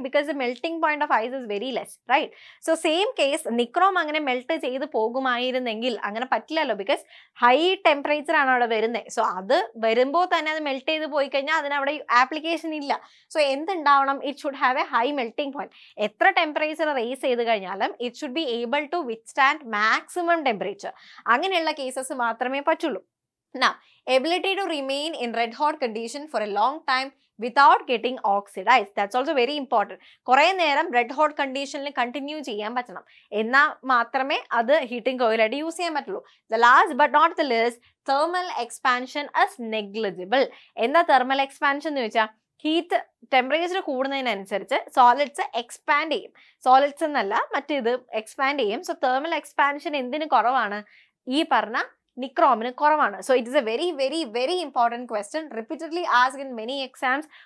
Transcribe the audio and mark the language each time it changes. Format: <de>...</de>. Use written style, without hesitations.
<en>Because the melting point of ice is very less, right. So same case, nichrome</en> <ml>അങ്ങനെ melt ചെയ്ത് പോകുമായിരുന്നെങ്കിൽ അങ്ങനെ പറ്റില്ലല്ലോ,</ml> <en>because high temperature</en> <ml>ആണ് അവിടെ വരുന്നത്. സോ അത് വരുമ്പോൾ തന്നെ അത് മെൽട്ട് ചെയ്ത് പോയി കഴിഞ്ഞാൽ അതിനവിടെ ആപ്ലിക്കേഷൻ ഇല്ല.</ml> <en>so</en> <ml>എന്തുണ്ടാവണം,</ml> <en>It should have a high melting point.</en> <ml>എത്ര ടെമ്പറേച്ചർ റേസ് ചെയ്ത് കഴിഞ്ഞാലും</ml> <en>It should be able to withstand maximum temperature.</en> <ml>അങ്ങനെയുള്ള കേസസ് മാത്രമേ പറ്റുള്ളൂ.</ml> <en>Now, ability to remain in red hot condition for a long time without getting oxidized, that's also very important.</en> <ml>കുറെ നേരം red hot condition ൽ continue ചെയ്യാൻ പറ്റണം, എന്നാൽ മാത്രമേ അത് heating coil ആയിട്ട് യൂസ് ചെയ്യാൻ പറ്റുള്ളൂ.</ml> <en>The last but not the least, thermal expansion is negligible.</en> <ml>എന്താ thermal expansion എന്ന് വെച്ചാൽ, ഹീറ്റ് ടെമ്പറേച്ചർ കൂടുന്നതിനനുസരിച്ച് സോളിഡ്സ് എക്സ്പാൻഡ് ചെയ്യും. സോളിഡ്സ് എന്നല്ല, മറ്റിത് എക്സ്പാൻഡ് ചെയ്യും. സോ തെർമൽ എക്സ്പാൻഷൻ എന്തിന് കുറവാണ്, ഈ പറഞ്ഞ നിക്രോമിന് കുറവാണ്.</ml> <en>So it is a very very very important question, repeatedly ask in many exams.</en>